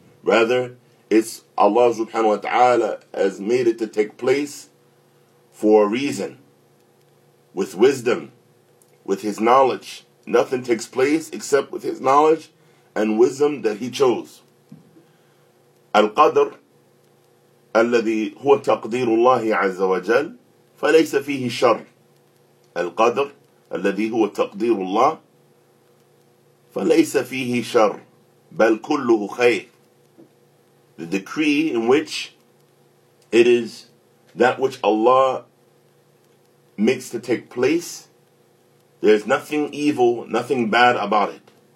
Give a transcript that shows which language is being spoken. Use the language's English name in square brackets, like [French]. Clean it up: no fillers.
[English] Rather, it's Allah subhanahu wa ta'ala has made it to take place for a reason, with wisdom, with His knowledge. Nothing takes place except with His knowledge and wisdom that He chose. [Arabic] Al-Qadr الذي هو تقدير الله عز وجل فليس فيه شر. القدر الذي هو تقدير الله فليس فيه شر بل كله خير. [English] The decree in which it is that which Allah makes to take place, there is nothing evil, nothing bad about it.